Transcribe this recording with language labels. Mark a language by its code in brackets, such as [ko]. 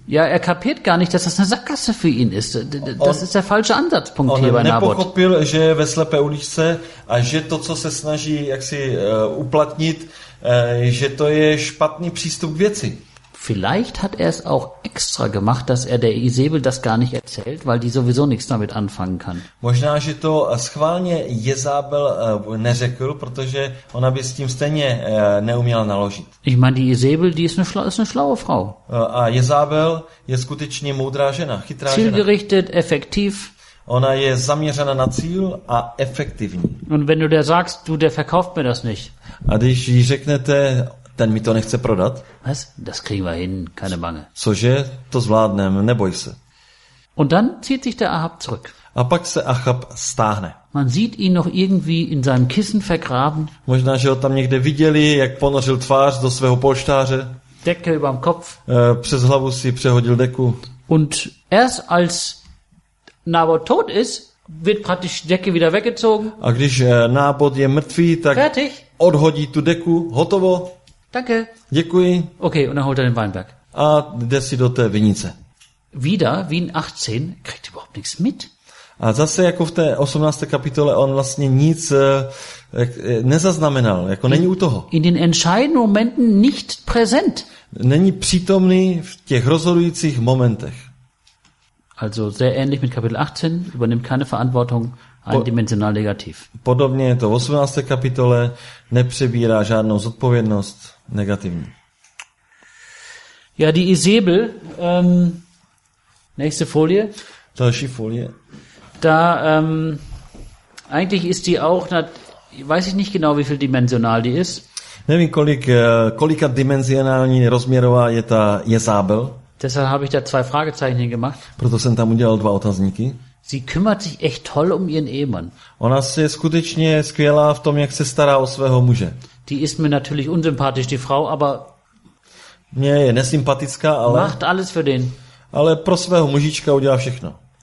[de] Ja, er kapiert gar nicht, dass das eine Sackgasse für ihn ist. Das ist der falsche Ansatzpunkt hier bei Nabot. [cs] On nepochopil, že je ve slepé uličce a že to, co se snaží jaksi uplatnit, že to je špatný přístup k věci. [de] Vielleicht hat er es auch extra gemacht, dass er der Isabel das gar nicht erzählt, weil die sowieso nichts damit anfangen kann. [cs] Možná, že to schválně Jezabel neřekl, protože ona by s tím stejně neuměla naložit. [de] Ich meine, die Isabel, die ist eine schlaue Frau. [cs] A Jezabel je skutečně moudrá žena, chytrá žena. [de] Zielgerichtet, effektiv. [cs] Ona je zaměřena na cíl a efektivní. [de] Und wenn du der sagst, du, der verkauft mir das nicht. [cs] A když jí řeknete, ten mi to nechce prodat. [de] Was? Das kriegen wir hin, keine Bange. [cs] Cože? To zvládnem, neboj se. [de] Und dann zieht sich der Ahab zurück. [cs] A pak se Achab stáhne. [de] Man sieht ihn noch irgendwie in seinem Kissen vergraben. [cs] Možná, že ho tam někde viděli, jak ponořil tvář do svého polštáře. [de] Decke über dem Kopf. [cs] Přes hlavu si přehodil deku. [de] Und erst als Nabot tot ist, wird praktisch die Decke wieder weggezogen. [cs] A když Nabot je mrtvý, tak [de] fertig. [cs] Odhodí tu deku, hotovo. [de] Danke. [cs] Děkuji. [de] Okay, und er holt den Weinberg. [cs] A jde si do té vinice. [de] Wieder, wie in 18, kriegt überhaupt nichts mit. [cs] A zase jako v té 18. kapitole on vlastně nic nezaznamenal, jako není u toho. [de] In den entscheidenden Momenten nicht präsent. [cs] Není přítomný v těch rozhodujících momentech. [de] Also sehr ähnlich mit Kapitel 18, übernimmt keine Verantwortung. Eindimensional negativ. [cs] Podobně je to v 18. kapitole, nepřebírá žádnou zodpovědnost, negativní. [de] Ja, die Isabel, nächste Folie. [cs] Další Folie. [de] Da, eigentlich ist die auch, weiß ich nicht genau, wie viel dimensional die ist. [cs] Nevím, kolika dimensionální rozměrová je ta Jezabel. [de] Deshalb habe ich da zwei Fragezeichen gemacht. [cs] Proto jsem tam udělal dva otazníky. [de] Sie kümmert sich echt toll um ihren Ehemann. [cs] Ona se skutečně skvělá v tom, jak se stará o svého muže. [de] Die ist mir natürlich unsympathisch, die Frau, aber [cs] mě je nesympatická, ale [de] macht alles für den. [cs] Ale pro svého mužička udělá všechno.